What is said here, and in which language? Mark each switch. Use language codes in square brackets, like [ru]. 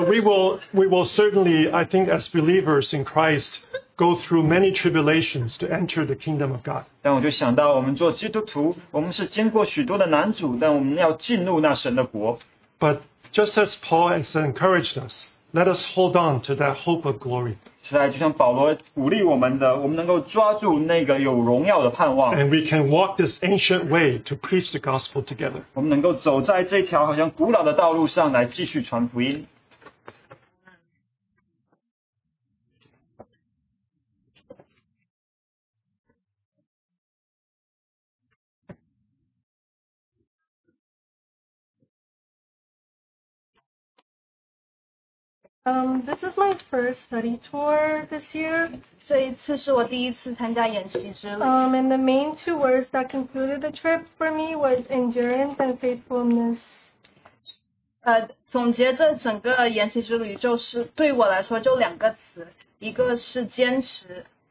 [en] I think as believers in Christ go through many tribulations to enter the kingdom of God. [zh] 但我就想到我们做基督徒，我们是经过许多的难阻，但我们要进入那神的国。 [en] But just as Paul has encouraged us, let us hold on to that hope of glory. [zh] 实在就像保罗鼓励我们的，我们能够抓住那个有荣耀的盼望。 [en] And we can walk this ancient way to preach the gospel together. [zh] 我们能够走在这条好像古老的道路上来继续传福音。 [en] This is my first study tour this year. [zh] 这一次是我第一次参加研习之旅。 [en] And the main two words that concluded the trip for me was endurance and faithfulness. [zh] 总结这整个研习之旅就是对我来说就两个词，一个是坚持。